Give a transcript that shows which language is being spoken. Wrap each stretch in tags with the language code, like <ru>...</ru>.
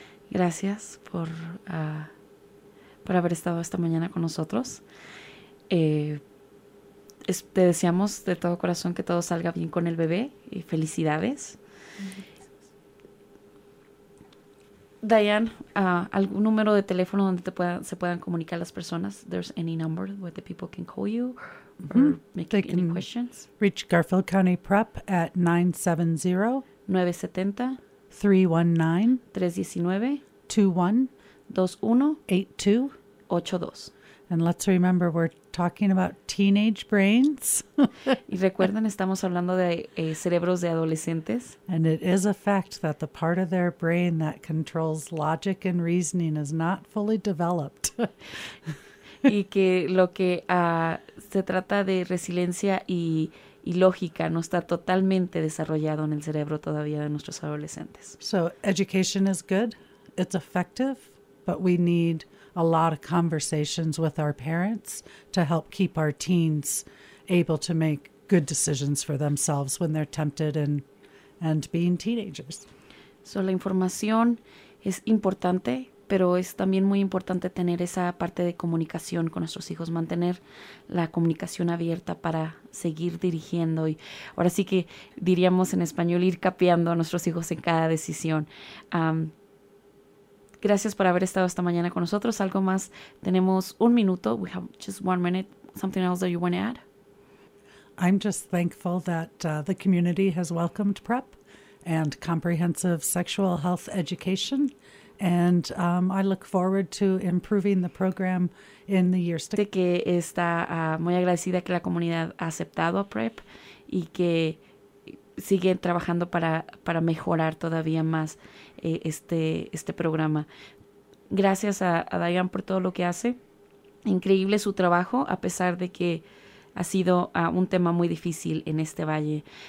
<es>Gracias por haber estado esta mañana con nosotros. Te deseamos de todo corazón que todo salga bien con el bebé y felicidades. Gracias. Diane, ¿algún número de teléfono donde se puedan comunicar las personas?</es> <en>There's any number where the people can call you or make any questions. Reach Garfield County Prep at 970-319-319-21-8282. And let's remember, we're talking about teenage brains.</en> <es>Y recuerden, estamos hablando de cerebros de adolescentes.</es> <en>And it is a fact that the part of their brain that controls logic and reasoning is not fully developed.</en> <es>Y que lo que se trata de resiliencia y lógica no está totalmente desarrollado en el cerebro todavía de nuestros adolescentes.</es> <en>So education is good. It's effective, but we need a lot of conversations with our parents to help keep our teens able to make good decisions for themselves when they're tempted and being teenagers.</en> <es>So la información es importante, pero es también muy importante tener esa parte de comunicación con nuestros hijos, mantener la comunicación abierta para seguir dirigiendo. Y ahora sí que diríamos en español, ir capeando a nuestros hijos en cada decisión. Gracias por haber estado esta mañana con nosotros. Algo más, tenemos un minuto.</es> <en>We have just 1 minute. Something else that you want to add? I'm just thankful that the community has welcomed PrEP and comprehensive sexual health education. And I look forward to improving the program in the years to come.</en> <es>Que está muy agradecida que la comunidad ha aceptado a PrEP y que sigue trabajando para mejorar todavía más este programa. Gracias a Diane por todo lo que hace. Increíble su trabajo, a pesar de que ha sido un tema muy difícil en este valle.</es>